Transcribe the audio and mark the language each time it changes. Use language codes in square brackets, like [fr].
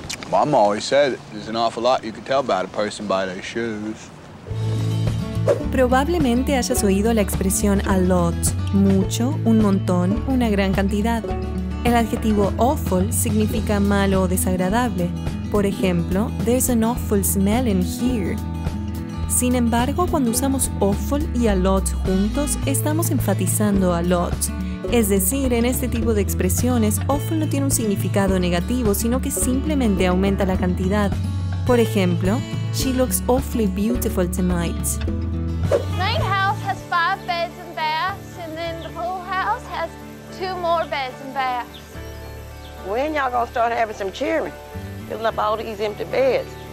[en] Mom always said there's an awful lot you can tell about a person by their shoes. [es] Probablemente hayas oído la expresión a lot, mucho, un montón, una gran cantidad. El adjetivo awful significa malo o desagradable. Por ejemplo, [en] there's an awful smell in here. [es] Sin embargo, cuando usamos awful y a lot juntos, estamos enfatizando a lot. Es decir, en este tipo de expresiones, awful no tiene un significado negativo, sino que simplemente aumenta la cantidad. Por ejemplo, [en] she looks awfully beautiful tonight. Main house has 5 beds and baths, and then the pool house has 2 more beds and baths. When y'all gonna start having some cheering, filling up all these empty beds?